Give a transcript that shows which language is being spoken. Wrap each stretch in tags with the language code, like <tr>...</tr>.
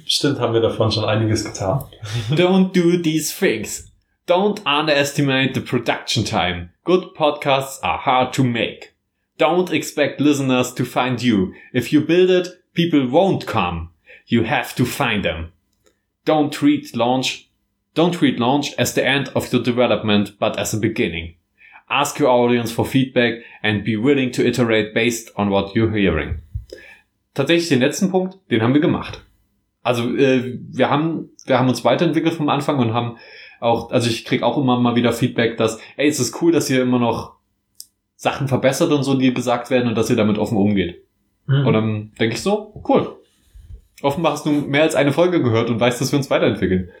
<de>Stimmt, haben wir davon schon einiges getan.</de> <en>Don't do these things. Don't underestimate the production time. Good podcasts are hard to make. Don't expect listeners to find you. If you build it, people won't come. You have to find them. Don't treat launch as the end of your development, but as a beginning. Ask your audience for feedback and be willing to iterate based on what you're hearing.</en> <de>Tatsächlich den letzten Punkt, den haben wir gemacht. Also wir haben uns weiterentwickelt vom Anfang und haben auch, also ich kriege auch immer mal wieder Feedback, dass, ey, es ist cool, dass ihr immer noch Sachen verbessert und so, die gesagt werden und dass ihr damit offen umgeht. Mhm. Und dann denke ich so, cool. Offenbar hast du mehr als eine Folge gehört und weißt, dass wir uns weiterentwickeln.</de>